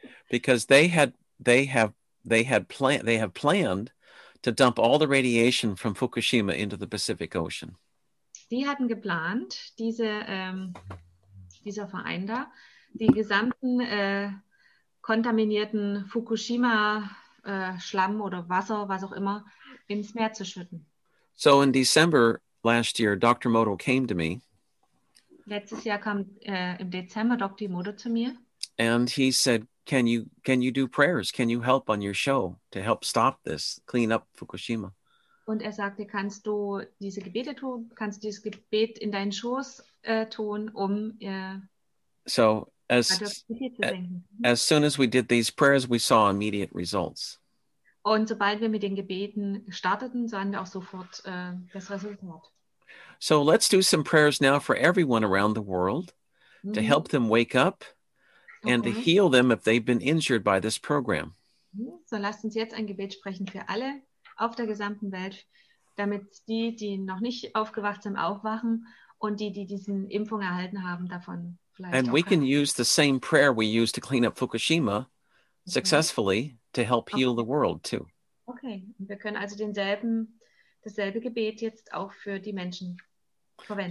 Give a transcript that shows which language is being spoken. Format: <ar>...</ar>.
<en>Because they have planned to dump all the radiation from Fukushima into the Pacific Ocean.</en> <de>Die hatten geplant, dieser Verein da, die gesamten kontaminierten Fukushima Schlamm oder Wasser, was auch immer, ins Meer zu schütten.</de> <en>So in December last year, Dr. Modo came to me.</en> <de>Letztes Jahr kam im Dezember Dr. Modo zu mir.</de> <en>And he said, can you do prayers? Can you help on your show to help stop this, clean up Fukushima?</en> <de>Und er sagte, kannst du diese Gebete tun? Kannst du dieses Gebet in deinen Schoß tun, um</de> <en>so as soon as we did these prayers, we saw immediate results.</en> <de>Und sobald wir mit den Gebeten starteten, sahen wir auch sofort das Resultat.</de> <en>So let's do some prayers now for everyone around the world to help them wake up and to heal them if they've been injured by this program.</en> <de>So lasst uns jetzt ein Gebet sprechen für alle auf der gesamten Welt, damit die, die noch nicht aufgewacht sind, aufwachen und die, die diesen Impfung erhalten haben, davon vielleicht</de> <en>and</en> <de>auch</de> <en>we</en> <de>können.</de> <en>Can use the same prayer we used to clean up Fukushima successfully to help heal the world too.</en> <de>Okay, und wir können also dasselbe Gebet jetzt auch für die Menschen verwenden.</de>